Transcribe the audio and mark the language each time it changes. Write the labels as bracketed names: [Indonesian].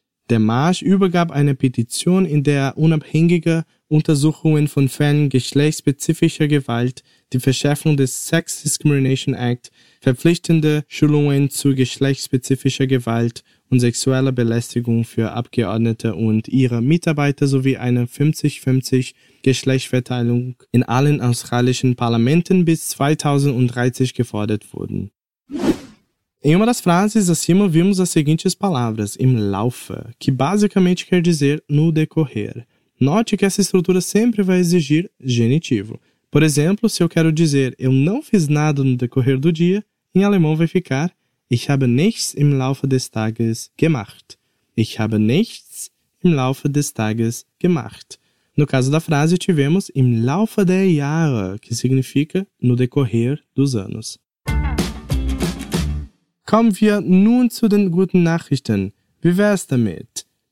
[German] Der Marsch übergab eine Petition, in der unabhängige Untersuchungen von Fällen geschlechtsspezifischer Gewalt, die Verschärfung des Sex Discrimination Act, verpflichtende Schulungen zu geschlechtsspezifischer Gewalt und sexueller Belästigung für Abgeordnete und ihre Mitarbeiter sowie eine 50-50 Geschlechtsverteilung in allen australischen Parlamenten bis 2030 gefordert wurden. [Portuguese] Em uma das frases acima, vimos as seguintes palavras, im Laufe, que basicamente quer dizer no decorrer. Note que essa estrutura sempre vai exigir genitivo. Por exemplo, se eu quero dizer eu não fiz nada no decorrer do dia, em alemão vai ficar [German] Ich habe nichts im Laufe des Tages gemacht. Ich habe nichts im Laufe des Tages gemacht. [Portuguese] No caso da frase, tivemos [German] im Laufe der Jahre, [Portuguese] que significa no decorrer dos anos. [German] Kommen wir nun zu den guten Nachrichten. Wie wär's damit?